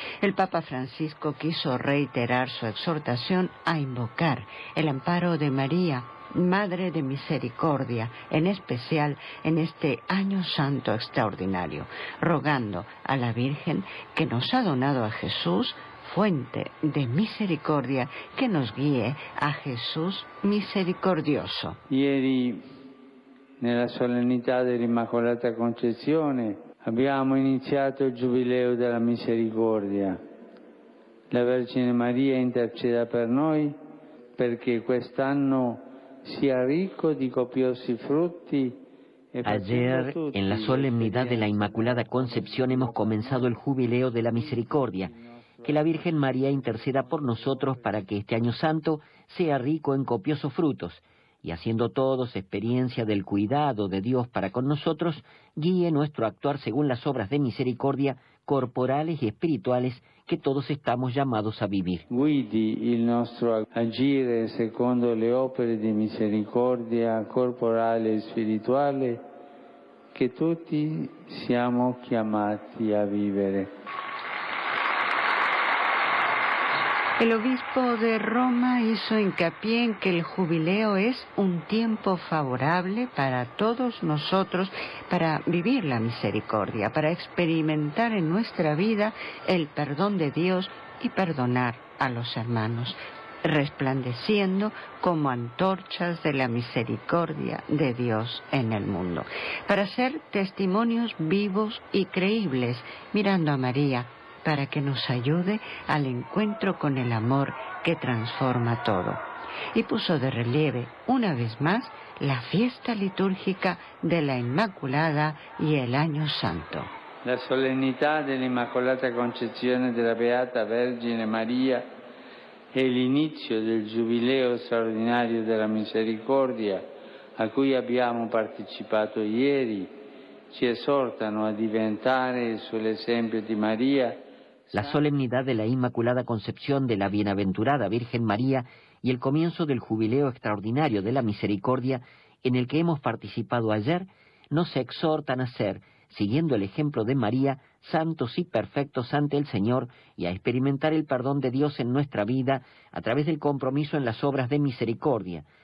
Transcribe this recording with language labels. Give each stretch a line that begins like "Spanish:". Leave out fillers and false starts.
Spanish: el Papa Francisco quiso reiterar su exhortación a invocar el amparo de María, Madre de Misericordia, en especial en este Año Santo extraordinario, rogando a la Virgen que nos ha donado a Jesús, fuente de misericordia, que nos guíe a Jesús misericordioso.
Italian: Ieri, nella solennità dell'Immacolata Concezione, abbiamo iniziato il Giubileo della Misericordia. La Vergine Maria interceda per noi perché quest'anno sia ricco di copiosi frutti.
Spanish: Ayer, en la solemnidad de la Inmaculada Concepción, hemos comenzado el Jubileo de la Misericordia. Que la Virgen María interceda por nosotros para que este Año Santo sea rico en copiosos frutos, y haciendo todos experiencia del cuidado de Dios para con nosotros, guíe nuestro actuar según las obras de misericordia corporales y espirituales que todos estamos llamados a vivir.
Italian: Guidi il nostro agire secondo le opere di misericordia corporale e spirituale che tutti siamo chiamati a vivere.
Spanish: El obispo de Roma hizo hincapié en que el jubileo es un tiempo favorable para todos nosotros para vivir la misericordia, para experimentar en nuestra vida el perdón de Dios y perdonar a los hermanos, resplandeciendo como antorchas de la misericordia de Dios en el mundo, para ser testimonios vivos y creíbles, mirando a María, para que nos ayude al encuentro con el amor que transforma todo. Y puso de relieve, una vez más, la fiesta litúrgica de la Inmaculada y el Año Santo. La solemnidad de la Inmaculada Concepción de la Beata Vergine María es el inicio del Jubileo Extraordinario de la Misericordia
Italian: a cui abbiamo participato ieri. Ci esortano a diventare sull'esempio di Maria.
Spanish: La solemnidad de la Inmaculada Concepción de la Bienaventurada Virgen María y el comienzo del Jubileo Extraordinario de la Misericordia en el que hemos participado ayer nos exhortan a ser, siguiendo el ejemplo de María, santos y perfectos ante el Señor y a experimentar el perdón de Dios en nuestra vida a través del compromiso en las obras de misericordia.